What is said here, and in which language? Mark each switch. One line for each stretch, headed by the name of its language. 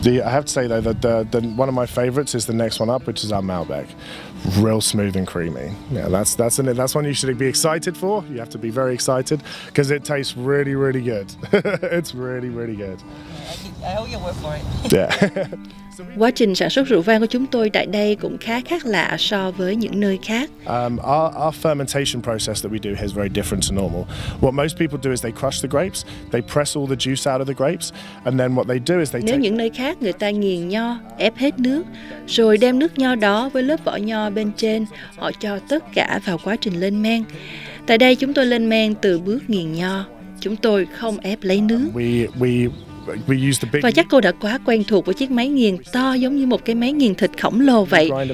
English: I have to say though that the one of my favorites is the next one up, which is our Malbec. Real smooth and creamy. Yeah, that's one you should be excited for. You have to be very excited, because it tastes really, really good. It's really, really good. I hope you'll work for it. Yeah.
Vietnamese: Quá trình sản xuất rượu vang của chúng tôi tại đây cũng khá khác lạ so với những nơi khác.
English: Our fermentation process that we do here is very different to normal. What most people do is they crush the grapes, they press all the juice out of the grapes, and then what they do is they take...
Vietnamese: Nếu những nơi khác, người ta nghiền nho, ép hết nước, rồi đem nước nho đó với lớp vỏ nho bên trên, họ cho tất cả vào quá trình lên men. Tại đây chúng tôi lên men từ bước nghiền nho, chúng tôi không ép lấy nước.
English: We use the big...
Vietnamese: Và chắc cô đã quá quen thuộc với chiếc máy nghiền to giống như một cái máy nghiền thịt khổng lồ vậy.